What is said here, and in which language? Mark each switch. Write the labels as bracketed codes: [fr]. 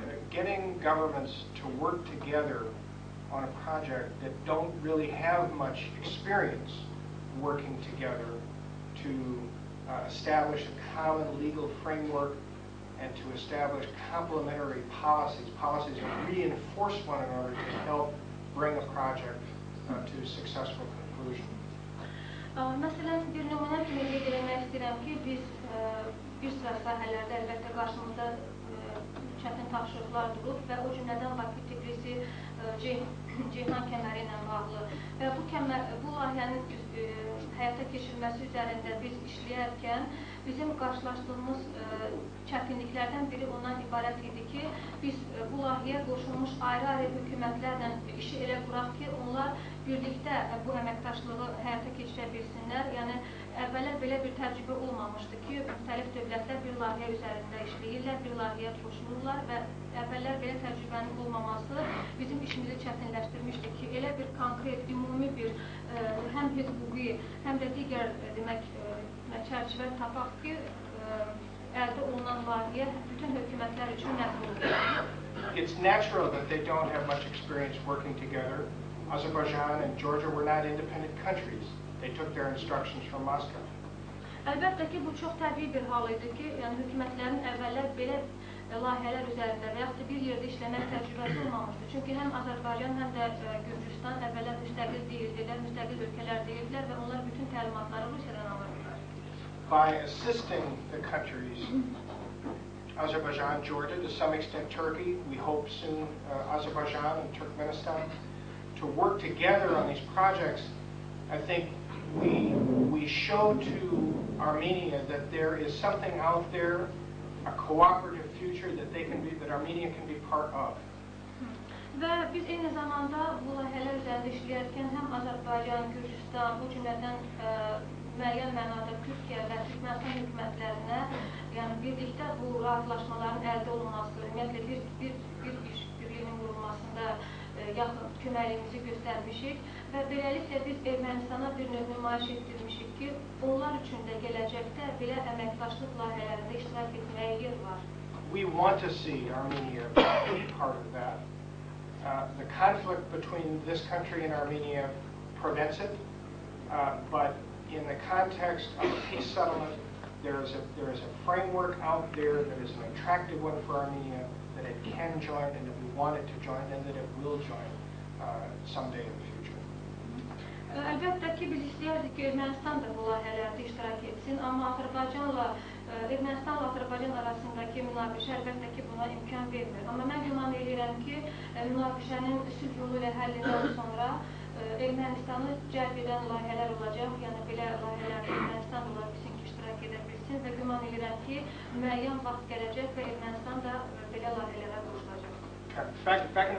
[en] getting governments to work together on a project that don't really have much experience working together to establish a common legal framework and to establish complementary policies, policies that reinforce one another to help bring a project to a successful conclusion. [az] Məsələn, bir nümunə kimi qeyd eləmək istəyirəm ki, biz bir sıra sahələrdə əlbəttə qarşımızda çətin tapşırıqlar durub və o cümlədən Bakı tipisi Ceyhan kəməri ilə bağlı və bu kəmər, bu layihənin həyata keçirilməsi üzərində biz işləyərkən bizim qarşılaşdığımız çətinliklərdən biri ondan ibarət idi ki, biz bu layihəyə qoşulmuş ayrı-ayrı hökumətlərlə işi elə quraq ki, onlar birlikdə bu əməkdaşlığı həyata keçirə bilsinlər. Yəni, əvvəllər belə bir təcrübə olmamışdı ki, müxtəlif dövlətlər bir layihə üzərində işləyirlər, bir layihəyə qoşulurlar və əvvəllər belə təcrübənin olmaması bizim işimizi çətinləşdirmişdi ki, elə bir konkret, ümumi bir həm hüquqi, həm də digər demək, çərçivə tapaq ki, əldə olunan layihə bütün hökumətlər üçün nəzər olunur. [en] It's natural that they don't have much experience working together. Azerbaijan and Georgia were not independent countries. They took their instructions from Moscow. [az] Əlbəttə ki, bu çox təbii bir hal idi ki, yəni hökumətlərin əvvəllər belə layihələr üzərində və yaxud da bir yerdə işləmək təcrübəsi olmamışdı. Çünki həm Azərbaycan, həm də Gürcüstan əvvəllər müstəqil deyildilər, müstəqil ölkələr deyildilər və onlar bütün təlimatları Rusiyadan alırdılar. [en] By assisting the countries, Azerbaijan, Georgia, to some extent Turkey, we hope soon Azerbaijan and Turkmenistan, to work together on these projects, I think we show to Armenia that there is something out there, a cooperative future that they can be, that Armenia can be part of. [az] Və biz eyni zamanda bu layihələr üzərində işləyərkən həm Azərbaycan, Gürcüstan, bu cümlədən müəyyən mənada Türkiyə və Türkmenistan hökumətlərinə, yəni birlikdə bu razılaşmaların əldə olunması, ümumiyyətlə bir iş birliyinin qurulmasında yaxın köməyimizi göstərmişik və beləliklə biz Ermənistana bir növ nümayiş etdirmişik ki, onlar üçün də gələcəkdə belə əməkdaşlıq layihələrində iştirak etməyə yer var. [en] We want to see Armenia be part of that. The conflict between this country and Armenia prevents it, but in the context of a peace settlement, there is a framework out there that is an attractive one for Armenia that it can join and that we want it to join and that it will join someday in the future. [az] Əlbəttə ki, biz istəyərdik ki, Ermənistan da bu layihələrdə iştirak etsin, amma Azərbaycanla, Ermənistanla Azərbaycan arasındakı münaqişə əlbəttə ki, buna imkan vermir. Amma mən güman edirəm ki, münaqişənin sülh yolu ilə həllindən sonra Ermənistanı cəlb edən layihələr olacaq, yəni belə layihələrdə Ermənistan olaraq bizimki iştirak edə bilsin və güman edirəm ki, müəyyən vaxt gələcək və Ermənistan da belə layihələrə qoşulacaq.